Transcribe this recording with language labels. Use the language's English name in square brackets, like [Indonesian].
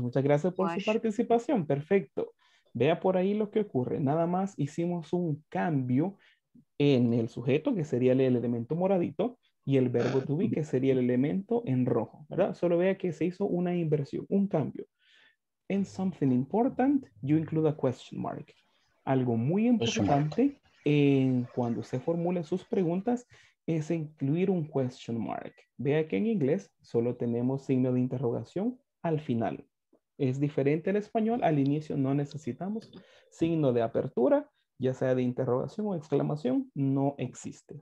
[Spanish] Muchas gracias por su participación. Perfecto. Vea por ahí lo que ocurre. Nada más hicimos un cambio en el sujeto, que sería el elemento moradito, y el verbo to be, que sería el elemento en rojo, ¿verdad? Solo vea que se hizo una inversión, un cambio. [English] And something important, you include a question mark. [Spanish] Algo muy importante en cuando se formula sus preguntas es incluir un question mark. Vea que en inglés solo tenemos signo de interrogación al final. Es diferente al español. Al inicio no necesitamos signo de apertura, ya sea de interrogación o exclamación, no existe.